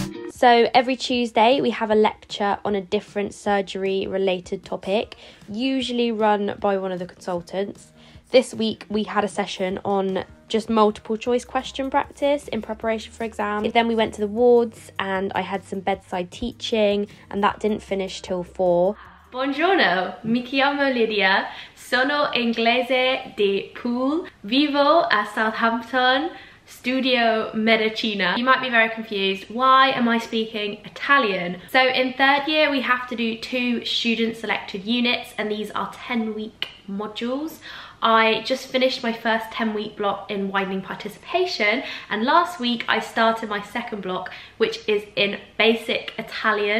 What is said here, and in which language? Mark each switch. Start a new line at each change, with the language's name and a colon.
English: So every Tuesday we have a lecture on a different surgery related topic, usually run by one of the consultants. This week we had a session on just multiple choice question practice in preparation for exam. Then we went to the wards and I had some bedside teaching and that didn't finish till 4.
Italian: Buongiorno, mi chiamo Lydia, sono inglese di Pool, vivo a Southampton, studio medicina.
English: You might be very confused, why am I speaking Italian? So in third year we have to do 2 student selected units and these are 10 week modules. I just finished my first 10-week block in widening participation, and last week I started my second block, which is in basic Italian.